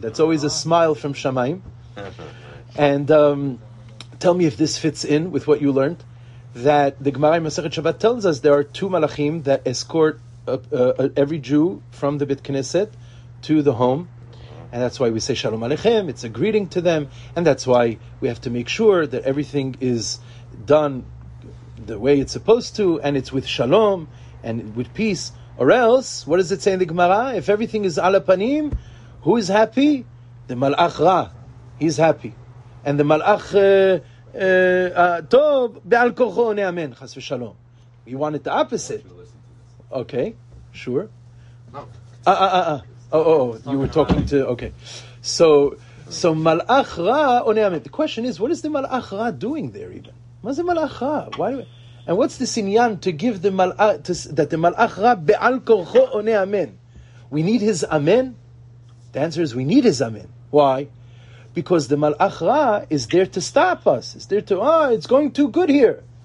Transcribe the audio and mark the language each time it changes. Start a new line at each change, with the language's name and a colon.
English: That's always a smile from Shamayim. And tell me if this fits in with what you learned, that the Gemara in Masechet Shabbat tells us there are two malachim that escort every Jew from the Bet Knesset to the home, and that's why we say Shalom Aleichem, it's a greeting to them, and that's why we have to make sure that everything is done the way it's supposed to, and it's with Shalom, and with peace. Or else, what does it say in the Gemara? If everything is ala panim, who is happy? The malach ra, he's happy. And the malach
Hebrew: טוב, בעל כוחו נאמן, חס ושלום.
English: You want it the opposite. Okay, sure. You were talking to, okay.
Hebrew: So מלאך רע עונה אמן.
English: The question is, what is the מלאך רע doing there even?
Hebrew: מה זה מלאך רע?
English: And what's the סניין to give the מלאך, that the מלאך רע
Hebrew: בעל כוחו עונה אמן?
English: We need his amen? The answer is, we need his amen. Why? Because the מלאך רע is there to stop us. It's there to, it's going too good here.